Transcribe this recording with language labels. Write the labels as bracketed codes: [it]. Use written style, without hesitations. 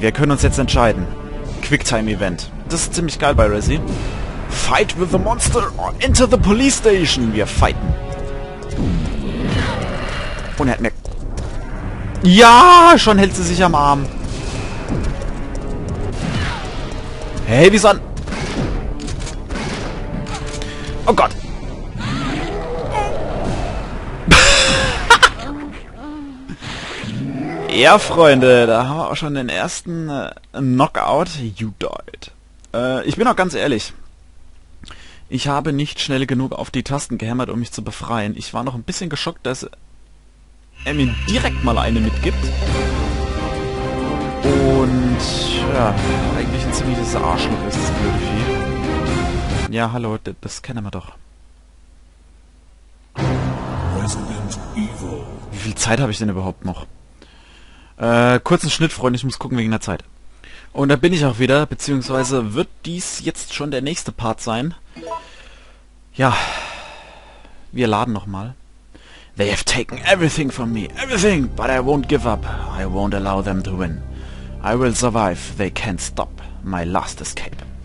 [de] Wir können uns jetzt entscheiden. Quicktime-Event. Das ist ziemlich geil bei Resi. [en] Fight with the monster or enter the police station. [de] Wir fighten. Und er hat mir... Ja, schon hält sie sich am Arm. Hey, wie soll... Oh Gott. Ja, Freunde, da haben wir auch schon den ersten Knockout. [en] You died. [de] Ich bin auch ganz ehrlich. Ich habe nicht schnell genug auf die Tasten gehämmert, um mich zu befreien. Ich war noch ein bisschen geschockt, dass er mir direkt mal eine mitgibt. Und ja, eigentlich ein ziemliches Arschloch ist das blöde Vieh. Ja, hallo, das kennen wir doch. Wie viel Zeit habe ich denn überhaupt noch? Kurzen Schnitt, Freunde, ich muss gucken wegen der Zeit. Und da bin ich auch wieder, beziehungsweise wird dies jetzt schon der nächste Part sein. Ja, wir laden nochmal. [en] They have taken everything from me, everything, but I won't give up. I won't allow them to win. I will survive. They can't stop my last escape.